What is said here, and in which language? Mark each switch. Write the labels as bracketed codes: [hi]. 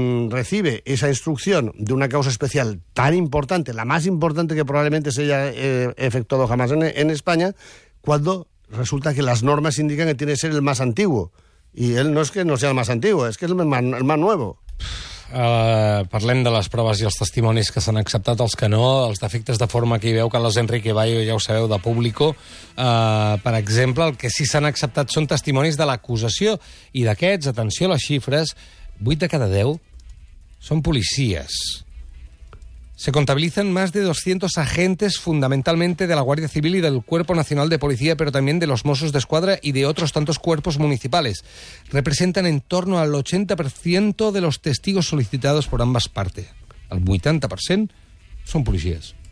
[es] recibe esa instrucción de una causa especial tan importante, la más importante que probablemente se haya efectuado jamás en España, cuando resulta que las normas indican que tiene que ser el más antiguo. Y él no es que no sea el más antiguo, es que es el más nuevo. [ca] Parlem de les proves i els testimonis que s'han acceptat, els que no, els defectes de forma que hi veu Carlos Enrique Bayo, ja ho sabeu, de Público. Per exemple, el que sí s'han acceptat són testimonis de l'acusació, i d'aquests, atenció a les xifres, 8 de cada 10 són policies. [es] Se contabilizan más de 200 agentes, fundamentalmente de la Guardia Civil y del Cuerpo Nacional de Policía, pero también de los Mossos de Escuadra y de otros tantos cuerpos municipales. Representan en torno al 80% de los testigos solicitados por ambas partes. El 80% son policías.